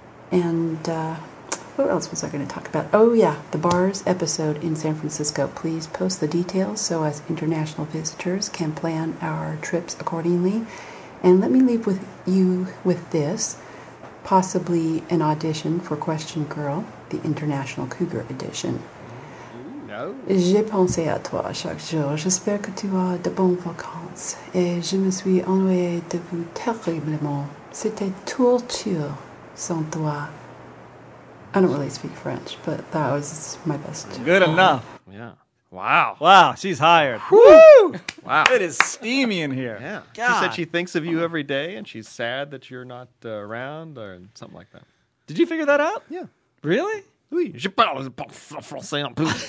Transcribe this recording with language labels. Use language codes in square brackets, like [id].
[en] And what else was I going to talk about? Oh yeah, the bars episode in San Francisco. Please post the details so us international visitors can plan our trips accordingly. And let me leave with you with this, possibly an audition for Question Girl. The International Cougar Edition. No. [fr] J'ai pensé à toi chaque jour. J'espère que tu as de bonnes vacances. Et je me suis ennuyé de vous terriblement. C'était torture sans toi. [en] I don't really speak French, but that was my best. Good enough. Yeah. Wow. Wow, she's hired. Woo! Wow. It is steamy in here. Yeah. God. She said she thinks of you every day and she's sad that you're not around or something like that. Did you figure that out? Yeah. Really? [fr] Oui. Je parle français un peu.